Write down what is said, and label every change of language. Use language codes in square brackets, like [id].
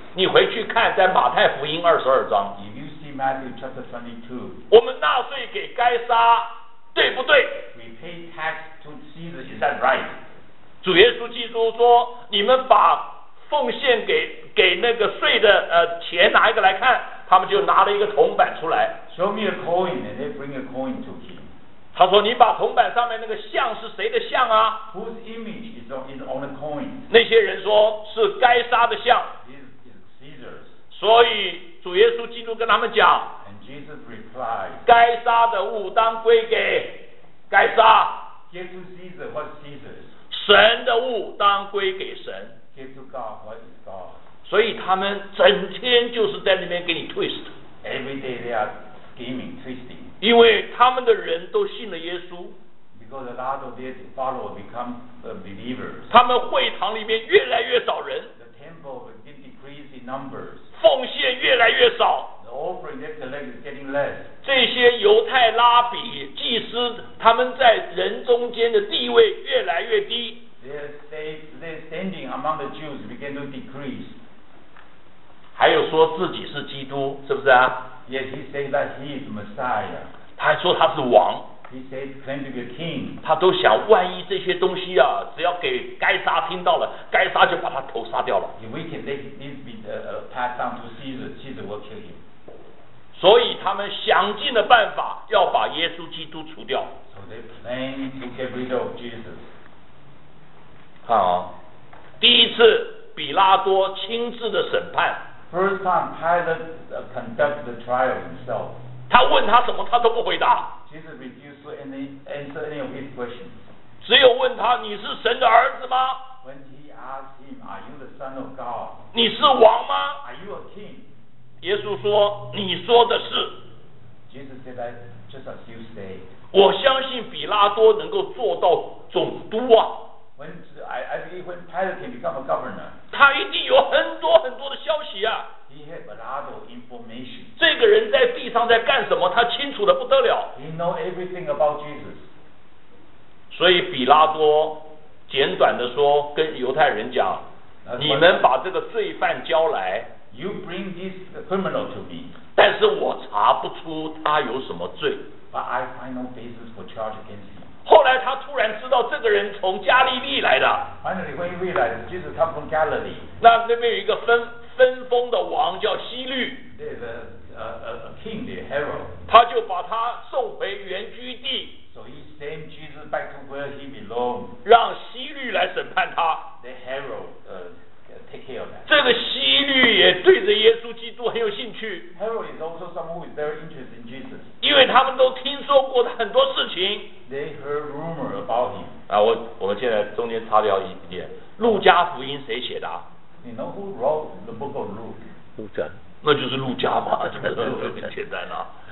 [zh] 你回去看在马太福音二十二章 [en] If you see Matthew chapter 22, [zh] 我们纳税给该撒对不对 [en] We pay tax to Caesar, is that right? [zh] 主耶稣基督说你们把奉献给那个税的钱拿一个来看他们就拿了一个铜板出来 [en] Show me a coin and they bring a coin to him [zh] 他说你把铜板上面那个像是谁的像啊 [en] Whose image is on the coin [zh] 那些人说是该杀的像 [en] is Caesar's [zh] 所以主耶稣基督跟他们讲 [en] And Jesus replied [zh] 该杀的物当归给该杀 [en] Give to Caesar what Caesar's [zh] 神的物当归给神 [en] Give to God what is God. [zh] 所以他们整天就是在那边给你 twist. [en] Every day they are scheming, twisting. [zh] 因为他们的人都信了耶稣。 [en] Because a lot of their followers become believers. [zh] 他们会堂里面越来越少人。 [en] The temple is decreasing numbers. [zh] 奉献越来越少。 [en] The offering they collect is getting less. [zh] 这些犹太拉比祭司，他们在人中间的地位越来越低。 [en] Their standing among the Jews began to decrease. [zh] 还有说自己是基督，是不是啊 [en] ？Yes, he said that he is Messiah. [zh] 他还说他是王。 [en] He said claim to be a king. [zh] 他都想，万一这些东西啊，只要给该杀听到了，该杀就把他头杀掉了。 [en] If we can make this be passed down to Caesar, Caesar will kill him. [zh] 所以他们想尽了办法要把耶稣基督除掉。 [en] So they plan to get rid of Jesus. [zh] 看啊、哦，第一次比拉多亲自的审判。 [en] First time Pilate conducted the trial himself. [zh] 他问他什么，他都不回答。 [en] Jesus refused to answer any of his questions. [zh] 只有问他你是神的儿子吗 [en] ？When he asked him, "Are you the son of God?" [zh] 你是王吗 [en] ？Are you a king? [zh] 耶稣说你说的是。 [en] Jesus said that just as you say. [zh] 我相信比拉多能够做到总督啊。 [en] When I believe when Pilate can become a governor, [zh] 他一定有很多很多的消息啊。 [en] He had a lot of information. [zh] 这个人在地上在干什么？他清楚的不得了。 [en] He know everything about Jesus. [zh] 所以比拉多简短的说，跟犹太人讲，你们把这个罪犯交来。 [en] You bring this criminal to me. [zh] 但是我查不出他有什么罪。 [en] But I find no basis for charge against him. [zh] 后来他突然知道这个人从加利利来的。 [en] Finally, when he realized Jesus come from Galilee. [zh] 那边有一个分封的王叫希律。 [en] There's a king, the Herod. [zh] 他就把他送回原居地。 [en] So he sent Jesus back to where he belonged. [zh] 让希律来审判他。 [en] The Herod take care of that. [zh] 这个希律也对着耶稣基督很有兴趣。 [en] Herod is also someone who is very interested in Jesus. [zh] 因为他们都听说过的很多事情。 [en] They heard rumor about him. [zh] 啊，我们现在中间插掉一点，路加福音谁写的、啊、 [en] ？You know who wrote the book of Luke? [zh] 路加，那就是路加嘛，很简单啊。